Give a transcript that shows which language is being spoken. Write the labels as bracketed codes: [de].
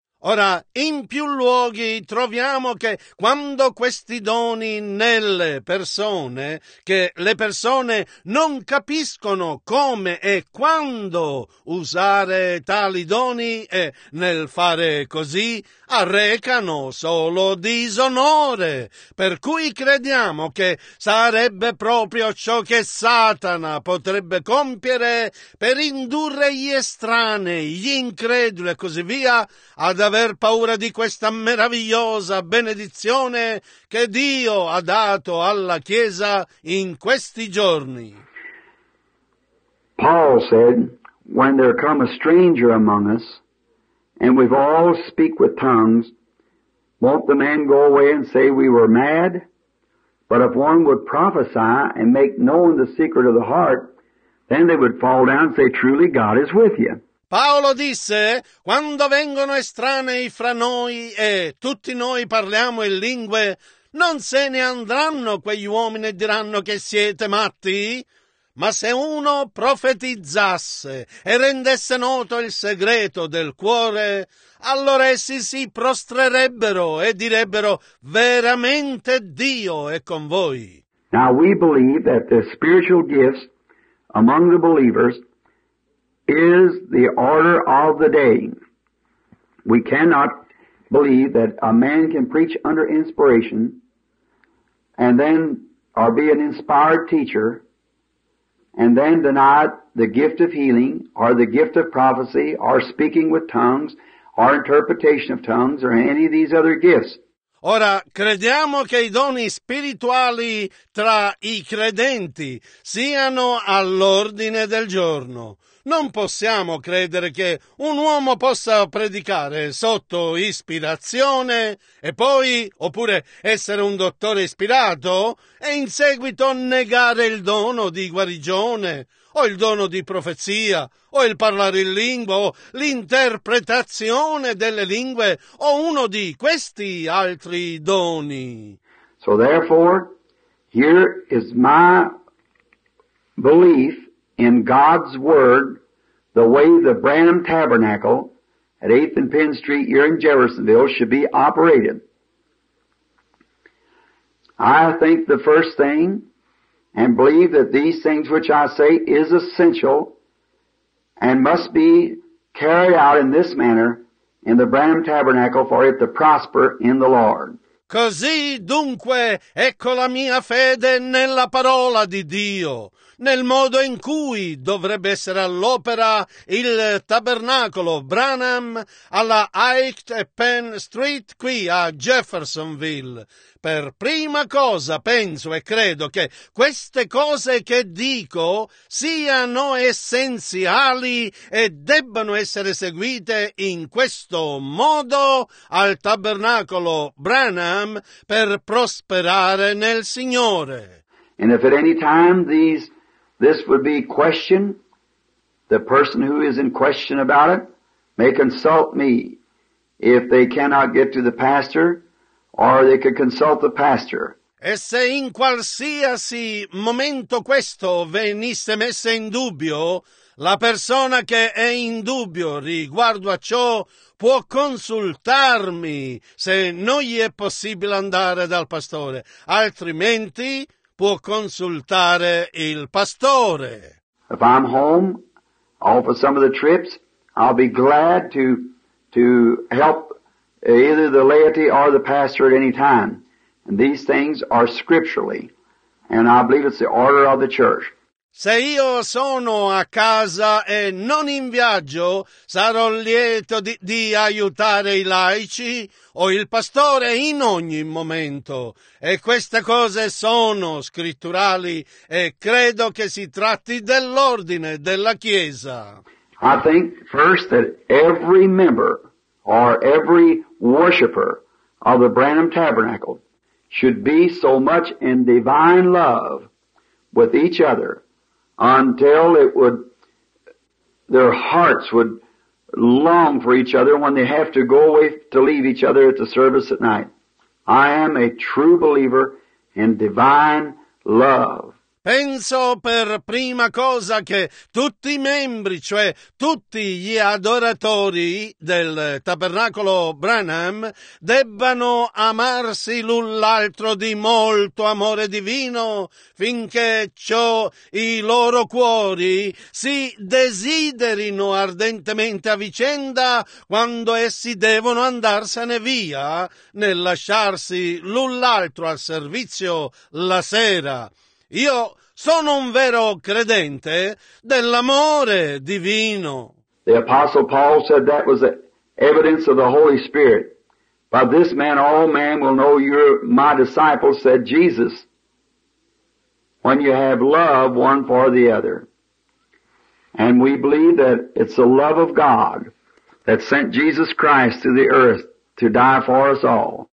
[it] Ora, in più luoghi troviamo che quando questi doni nelle persone, che le persone non capiscono come e quando usare tali doni e nel fare così arrecano solo disonore. Per cui crediamo che sarebbe proprio ciò che Satana potrebbe compiere per indurre gli estranei, gli increduli e così via ad aver paura di questa meravigliosa benedizione che Dio ha dato alla Chiesa in questi giorni. [en] Paul said, when there come a stranger among us, and we've all speak with tongues, won't the man go away and say we were mad? But if one would prophesy and make known the secret of the heart, then they would fall down and say, truly God is with you. [it] Paolo disse, quando vengono estranei fra noi e tutti noi parliamo in lingue, non se ne andranno quegli uomini e diranno che siete matti? Ma se uno profetizzasse e rendesse noto il segreto del cuore, allora essi si prostrerebbero e direbbero, veramente Dio è con voi. [en] Now we believe that the spiritual gifts among the believers is the order of the day. We cannot believe that a man can preach under inspiration and then or be an inspired teacher and then deny the gift of healing or the gift of prophecy or speaking with tongues or interpretation of tongues or any of these other gifts. [it] Ora, crediamo che i doni spirituali tra i credenti siano all'ordine del giorno. Non possiamo credere che un uomo possa predicare sotto ispirazione e poi, oppure essere un dottore ispirato e in seguito negare il dono di guarigione o il dono di profezia o il parlare in lingua o l'interpretazione delle lingue o uno di questi altri doni. [en] So therefore, here is my belief in God's word, the way the Branham Tabernacle at 8th and Penn Street here in Jeffersonville should be operated. I think the first thing and believe that these things which I say is essential and must be carried out in this manner in the Branham Tabernacle for it to prosper in the Lord. [it] Così dunque ecco la mia fede nella parola di Dio, nel modo in cui dovrebbe essere all'opera il tabernacolo Branham alla 8th and Penn Street qui a Jeffersonville. Per prima cosa penso e credo che queste cose che dico siano essenziali e debbano essere seguite in questo modo al tabernacolo Branham per prosperare nel Signore. [en] And if at any time this would be questioned, the person who is in question about it may consult me. If they cannot get to the pastor, or they could consult the pastor. [it] E se in qualsiasi momento questo venisse messo in dubbio, la persona che è in dubbio riguardo a ciò può consultarmi se non gli è possibile andare dal pastore, altrimenti può consultare il pastore. [en] If I'm home off of some of the trips, I'll be glad to help either the laity or the pastor at any time. And these things are scripturally, and I believe it's the order of the church. [it] Se io sono a casa e non in viaggio, sarò lieto di aiutare i laici o il pastore in ogni momento. E queste cose sono scritturali e credo che si tratti dell'ordine della Chiesa. [en] I think first that every member or every worshiper of the Branham Tabernacle should be so much in divine love with each other until their hearts would long for each other when they have to go away to leave each other at the service at night. I am a true believer in divine love. [it] Penso per prima cosa che tutti i membri, cioè tutti gli adoratori del tabernacolo Branham, debbano amarsi l'un l'altro di molto amore divino, finché ciò i loro cuori si desiderino ardentemente a vicenda, quando essi devono andarsene via nel lasciarsi l'un l'altro al servizio la sera. Io sono un vero credente dell'amore divino. [en] The Apostle Paul said that was the evidence of the Holy Spirit. By this man all men will know you're my disciples, said Jesus, when you have love one for the other. And we believe that it's the love of God that sent Jesus Christ to the earth to die for us all.